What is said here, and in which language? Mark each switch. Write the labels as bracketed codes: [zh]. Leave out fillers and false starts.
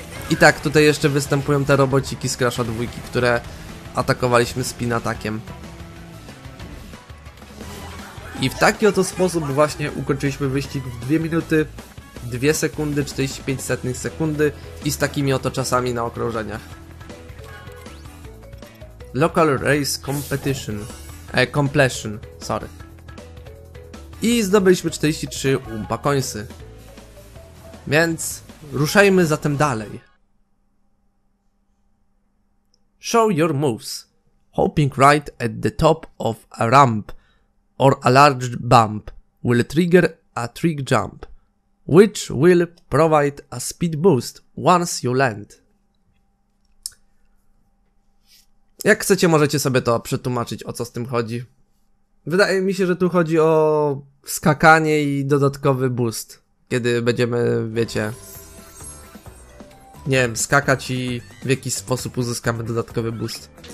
[pl] I tak, tutaj jeszcze występują te robociki z Crasha 2, które atakowaliśmy spin atakiem. I w taki oto sposób właśnie ukończyliśmy wyścig w 2 minuty, 2 sekundy, 45 setnych sekundy i z takimi oto czasami na okrążeniach. [en] Local Race Competition. Completion, sorry. [pl] I zdobyliśmy 43 umpa końsy. Więc ruszajmy zatem dalej. [en] Show your moves, hoping right at the top of a ramp or a large bump will trigger a trick jump, which will provide a speed boost once you land. [pl] Jak chcecie, możecie sobie to przetłumaczyć, o co z tym chodzi. Wydaje mi się, że tu chodzi o skakanie i dodatkowy boost, kiedy będziemy, wiecie, nie wiem, skakać i w jakiś sposób uzyskamy dodatkowy boost.